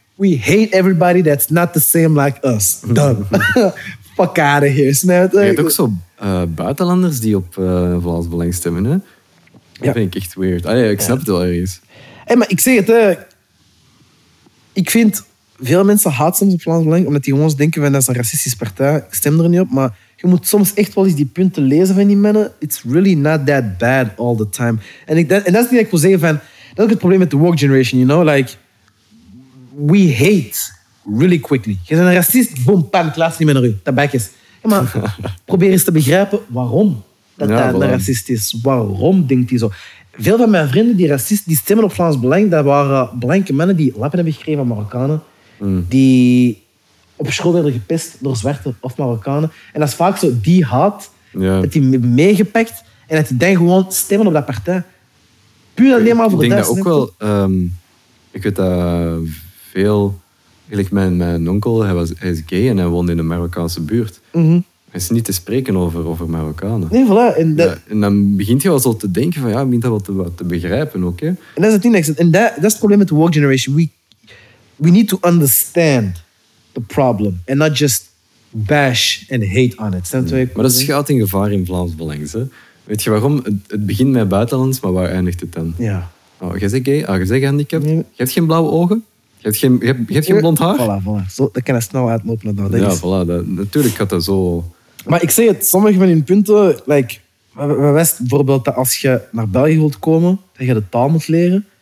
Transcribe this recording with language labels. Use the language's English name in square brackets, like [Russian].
[English] We hate everybody that's not the same like us. Done. Fuck out of here, snap [Dutch] je? Je hebt ook zo buitenlanders die op Vlaams Belang stemmen, hè? Ja. Dat vind ik echt weird. Allee, ik snap het wel ergens. Hey, maar ik zeg het, hè. Ik vind veel mensen haat soms op Vlaams Belang, omdat die gewoon denken van, dat is een racistische partij. Ik stem er niet op, maar je moet soms echt wel eens die punten lezen van die mannen. [English] It's really not that bad all the time. [Dutch] En dat is niet wat ik wil zeggen van, dat is het probleem met de woke generation, [English] you know? Like, we hate really quickly. [Dutch] Je bent een racist, boom, pam, klaas niet meer naar u. Tabakjes. Maar probeer eens te begrijpen waarom dat een racist is. Waarom denkt hij zo? Veel van mijn vrienden die racist, die stemmen op Vlaams Belang, dat waren blanke mannen die lappen hebben gekregen van Marokkanen. Die op school werden gepest door zwarte of Marokkanen. En dat is vaak zo, die haat, dat die meegepakt en dat die dan gewoon stemmen op dat partij. Puur alleen maar voor de Duitsers. Ik denk dat ook wel... ik weet dat... Veel, eigenlijk mijn onkel, hij is gay en hij woonde in een Marokkaanse buurt. Mm-hmm. Hij is niet te spreken over Marokkanen. Nee, voilà. En, en dan begint je wel zo te denken van, ja, ik begin dat wel te begrijpen ook. Hè. En dat is het ding. En dat is het probleem met de woke generation. [English] We need to understand the problem. And not just bash and hate on it. [Dutch] Maar dat schuilt in gevaar in Vlaams Belang. Weet je waarom? Het begint met buitenlands, maar waar eindigt het dan? Ja. Oh, jij bent gay? Ah, jij bent gehandicapt? Nee. Je hebt geen blauwe ogen? Je hebt geen blond haar? Voilà. Zo, dat kan je snel uitlopen. Dan. Ja, voilà. Natuurlijk gaat dat zo... Maar ik zeg het, sommige van hun punten... Like, we wisten bijvoorbeeld dat als je naar België wilt komen, dat je de taal moet leren.